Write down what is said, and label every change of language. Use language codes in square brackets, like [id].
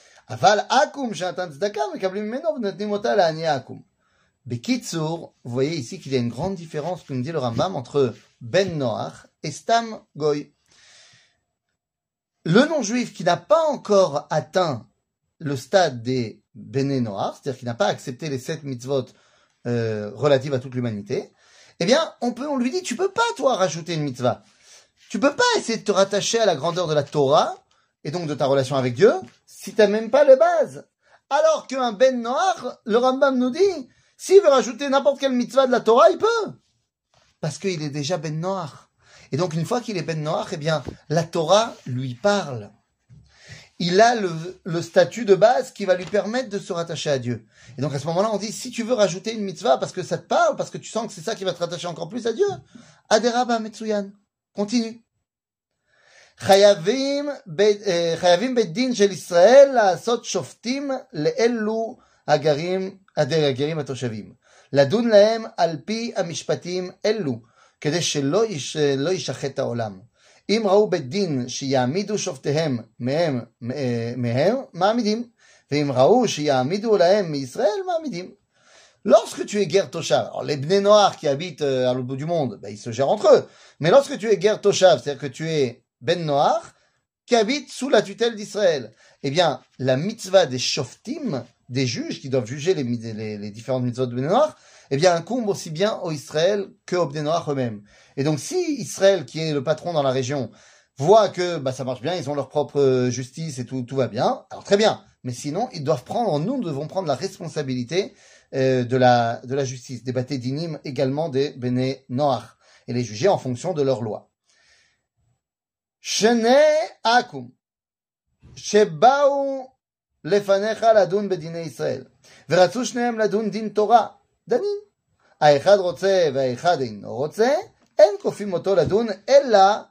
[he] אבל אקום שנתן צדקה מקבלים ממנו ונתנים אותה לעני אקום. בקיצור, [fr] voyez ici qu'il y a une grande différence, comme dit le Rambam, entre Ben Noach et Stam Goy. Le non-juif qui n'a pas encore atteint le stade des Ben Noach, c'est-à-dire qui n'a pas accepté les sept mitzvot relatives à toute l'humanité, eh bien, on lui dit, tu peux pas, toi, rajouter une mitzvah. Tu peux pas essayer de te rattacher à la grandeur de la Torah, et donc de ta relation avec Dieu, si t'as même pas le base. Alors qu'un Ben Noach, le Rambam nous dit, s'il veut rajouter n'importe quelle mitzvah de la Torah, il peut. Parce qu'il est déjà Ben Noach. Et donc, une fois qu'il est Ben Noach, eh bien, la Torah lui parle. Il a le statut de base qui va lui permettre de se rattacher à Dieu. Et donc, à ce moment-là, on dit, si tu veux rajouter une mitzvah parce que ça te parle, parce que tu sens que c'est ça qui va te rattacher encore plus à Dieu, [he] Adéraba Metsuyan. [fr] Continue. [he] חייבים בית דין של ישראל לעשות שופטים לאלו הגרים התושבים. לדון להם על פי המשפטים אלו, כדי שלא ישחט העולם. אם ראו בית דין שיעמידו שופטיהם מהם, מעמידים. ואם ראו שיעמידו להם מישראל, מעמידים. [fr] Lorsque tu es guerre toshav, alors les Bnei Noach qui habitent à l'autre bout du monde, ben ils se gèrent entre eux. Mais lorsque tu es guerre toshav, c'est-à-dire que tu es Ben Noach, qui habite sous la tutelle d'Israël. Eh bien, la mitzvah des shoftim, des juges qui doivent juger les différentes mitzvahs de Ben Noach, eh bien, incombe aussi bien au Israël qu'au Ben Noach eux-mêmes. Et donc, si Israël, qui est le patron dans la région, voit que bah, ça marche bien, ils ont leur propre justice et tout va bien, alors très bien. Mais sinon, ils doivent prendre, nous devons prendre la responsabilité de la justice, des Baté Dinim également des Ben Noach, et les juger en fonction de leurs lois. [he] שני אקום שבאו לפניך לדון בדיני ישראל ורצו שניהם לדון דין תורה דנים האחד רוצה והאחד אינו רוצה אין קופים אותו לדון אלא